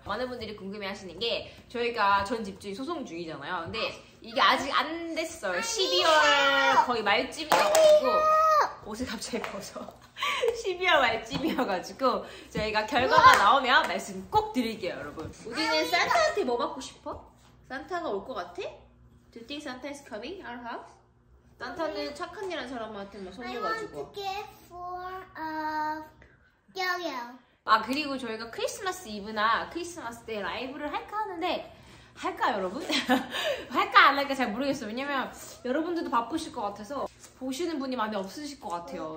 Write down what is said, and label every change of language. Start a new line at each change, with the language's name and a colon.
Korean: 많은 분들이 궁금해하시는 게 저희가 전 집주인 소송 중이잖아요. 근데 이게 아직 안 됐어요. 12월 거의 말쯤이어가지고 옷을 갑자기 벗어. 12월 말쯤이어가지고 저희가 결과가 나오면 말씀 꼭 드릴게요, 여러분. 우리는 산타한테 뭐 받고 싶어? 산타가 올 것 같아?
English: Do you think Santa is coming our house?
Korean: 산타는 착한 일한 사람한테 뭐 선물 가지고.
English: I want to get for a yo-yo.
Korean: 아 그리고 저희가 크리스마스 이브나 크리스마스 때 라이브를 할까 하는데 할까 여러분? 할까 안 할까 잘 모르겠어요. 왜냐면 여러분들도 바쁘실 것 같아서 보시는 분이 많이 없으실 것 같아요.